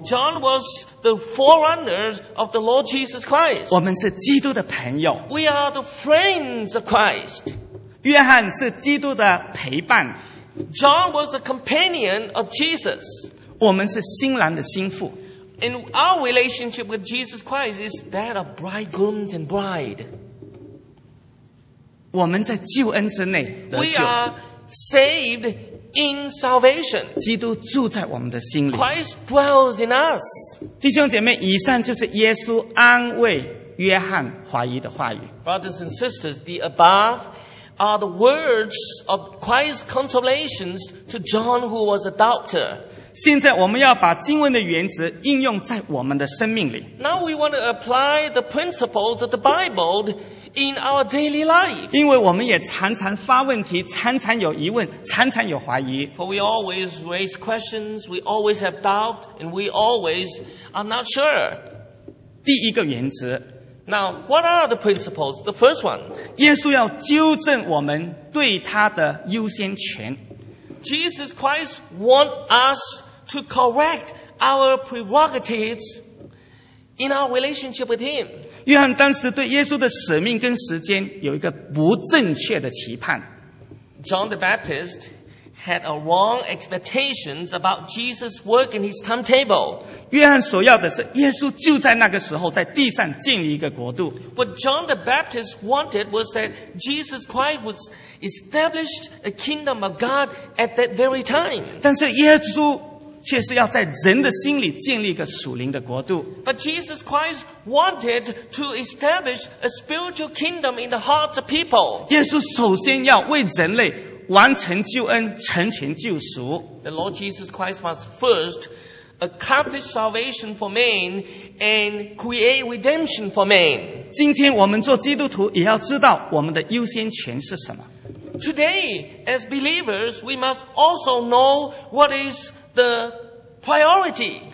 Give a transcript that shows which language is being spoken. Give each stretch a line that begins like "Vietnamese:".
English: John was the forerunner of the Lord Jesus Christ.
Chinese: 我们是基督的朋友。
English: We are the friends of Christ.
Chinese: 约翰是基督的陪伴。
English: John was a companion of Jesus.
Chinese: 我们是新郎的新妇。
English: And our relationship with Jesus Christ is that of bridegrooms and bride.
Chinese: 我们在救恩之内得救。
English: We are saved. In salvation,
Chinese: 基督住在我们的心里。
English: Christ dwells in us.
Chinese: 弟兄姐妹，以上就是耶稣安慰约翰怀疑的话语。
English: Brothers and sisters, the above are the words of Christ's consolations to John, who was a doubter.
Chinese: 现在我们要把经文的原则应用在我们的生命里。
English: Now we want to apply the principles of the Bible. In our daily life.
Chinese: 因为我们也常常发问题，常常有疑问，常常有怀疑。
English: For we always raise questions, we always have doubt, and we always are not sure.
Chinese: 第一个原则。
English: Now, what are the principles? The first one.
Chinese: 耶稣要纠正我们对他的优先权。
English: Jesus Christ wants us to correct our prerogatives. In our relationship with him.
Chinese: 约翰当时对耶稣的使命跟时间有一个不正确的期盼。
English: John the Baptist had a wrong expectations about Jesus' work and his timetable.
Chinese: 约翰所要的是耶稣就在那个时候在地上建立一个国度。
English: What John the Baptist wanted was that Jesus Christ was established a kingdom of God at that very time.
Chinese: 但是耶稣却是要在人的心里建立一个属灵的国度。
English: But Jesus Christ wanted to establish a spiritual kingdom in the hearts of people.
Chinese: 耶稣首先要为人类完成救恩，成全救赎。
English: The Lord Jesus Christ must first accomplish salvation for man and create redemption for man.
Chinese: 今天我们做基督徒也要知道我们的优先权是什么。
English: Today, as believers, we must also know what is the priority.